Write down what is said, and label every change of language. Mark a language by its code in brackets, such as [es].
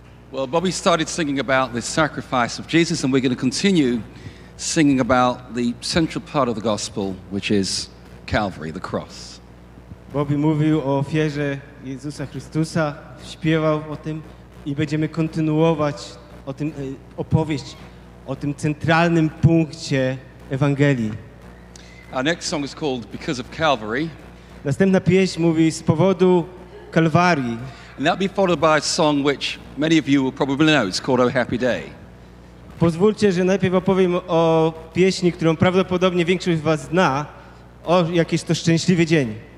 [en] Well, Bobby started singing about the sacrifice of Jesus, and we're going to continue singing about the central part of the gospel, which is Calvary, the cross. [pl] Bobby mówił o ofierze Jezusa Chrystusa, śpiewał o tym i będziemy kontynuować o tym opowieść o tym centralnym punkcie Ewangelii. [en] Our next song is called Because of Calvary. [pl] Następna pieśń mówi z powodu Kalwarii. [en] And that'll be followed by a song which many of you will probably know. It's called Oh Happy Day. [pl] Pozwólcie, że najpierw opowiem o pieśni, którą prawdopodobnie większość z was zna, o jakiś to szczęśliwy dzień.